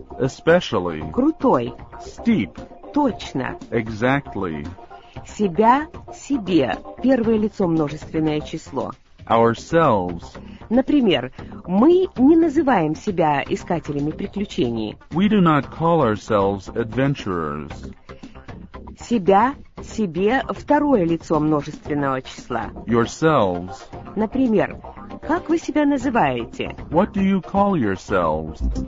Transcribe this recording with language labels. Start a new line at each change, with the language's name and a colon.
English: Especially.
Russian: Крутой.
English: Steep.
Russian: Точно.
English: Exactly.
Russian: Себя, себе. Первое лицо множественное число.
English: Ourselves.
Russian: Например, мы не называем себя искателями приключений.
English: We do not call ourselves adventurers.
Russian: Себя, себе. Второе лицо множественного числа.
English: Yourselves.
Russian: Например, как вы себя называете?
English: What do you call yourselves?